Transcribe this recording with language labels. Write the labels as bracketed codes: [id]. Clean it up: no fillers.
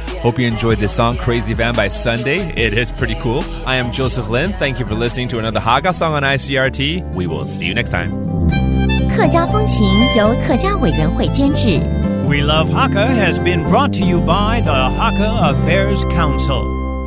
[en] Hope you enjoyed this song Crazy Fan by Sunday. It is pretty cool. I am Joseph Lin. Thank you for listening to another Hakka song on ICRT. We will see you next time. [zh] 客家风情由客家委员会监制。 [en] We Love Hakka has been brought to you by the Hakka Affairs Council.